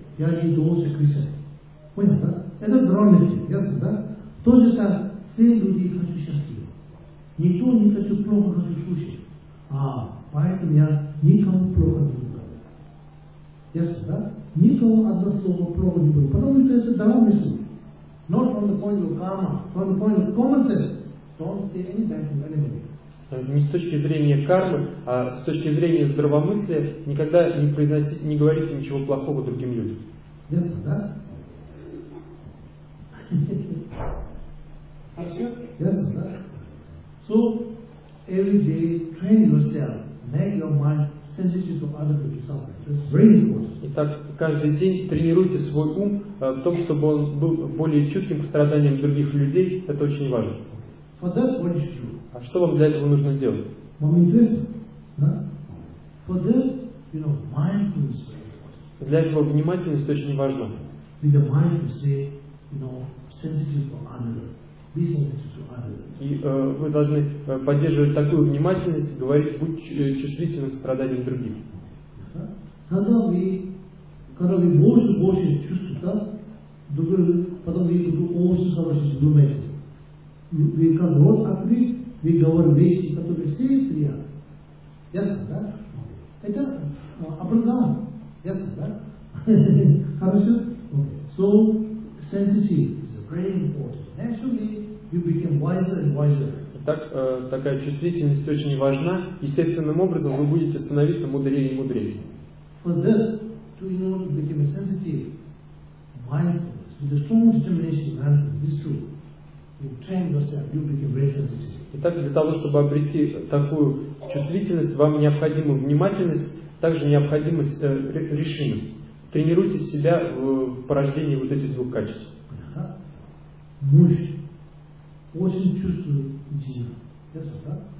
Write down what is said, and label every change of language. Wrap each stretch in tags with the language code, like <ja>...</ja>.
<ru>Я не должен кричать. Понял, да? Это здравомыслие. Ясно, да? То же так, все люди хотят счастлива. Никто не хочет плохо, хочу слушать. А, поэтому я никому плохо не буду. Ясно, да? Никому одно слово плохо не буду. Потому что это здравомыслие.</ru> <en>Not from the point of karma, from the point of common sense. Don't say any bad thing anybody.</en> <ru>Не с точки зрения кармы, а с точки зрения здравомыслия, никогда не произносите, не говорите ничего плохого другим людям.</ru> <en>Yes,</en> <ru>да? А все?</ru> <en>Yes,</en> <ru>да?</ru> <en>So, every day, train yourself. Make your mind sensitive to other people's suffering. That's very important.</en> <ru>Итак, каждый день тренируйте свой ум в том, чтобы он был более чувствим к страданиям других людей. Это очень важно.</ru> <en>For that, what you do?</en> <ru>А что вам для этого нужно делать? Для этого внимательность очень важна. И вы должны поддерживать такую внимательность, говорить, будь чувствительным к страданиям других. Когда вы больше и больше чувствуете, да? Потом вы будете очень хорошо думать. Вы как рот открыли, мы говорим вещи, которые все приятны. Ясно, да? Это образование. Ясно, да? Хорошо?</ru> <en>So, sensitive is very important. Actually, you become wiser and wiser.</en> <ru>Так, такая чувствительность очень важна. Естественным образом вы будете становиться мудрее и мудрее.</ru> <en>For that, to, in order to become a sensitive mindfulness, with a strong determination to handle this truth, you train yourself, you become very sensitive.</en> <ru>Итак, для того, чтобы обрести такую чувствительность, вам необходима внимательность, также необходима решимость. Тренируйте себя в порождении вот этих двух качеств. Муж очень чувствует жизнь. Ясно, да?</ru>